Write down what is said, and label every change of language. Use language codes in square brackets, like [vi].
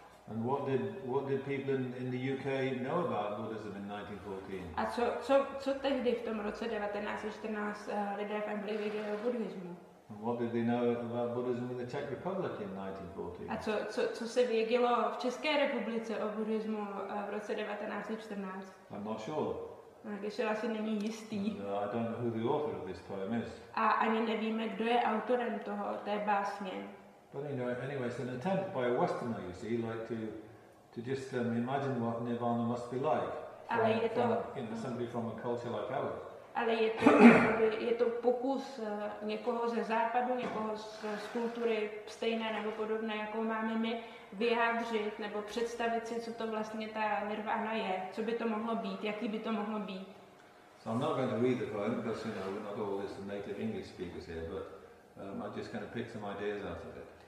[en] And what did people in the UK know about Buddhism in 1914? [cs] A co tehdy v tom roce 1914 lidé v Anglii věděli o buddhismu? [en] And what did they know about Buddhism in the Czech Republic in 1914? [cs] A co se vědělo v České republice o buddhismu v roce 1914? [en] I'm not sure. [cs] Geshe-la si není jistý. [en] And, I don't know who the author of this poem is. [cs] A ani nevíme, kdo je autorem toho té básně. [en] But anyway, it's an attempt by a Westerner, you see, like to just imagine what Nirvana must be like. [cs] Ale je to [en] somebody from a culture like ours. [cs] Ale je to pokus někoho ze západu, někoho z kultury stejné nebo podobné, jakou máme my, vyjádřit nebo představit si, co to vlastně ta nirvana je, co by to mohlo být, jaký by to mohlo být. [en] So I'm not going to read the poem, because you know, not all these native English speakers here, but I'm just going to pick some ideas out of it.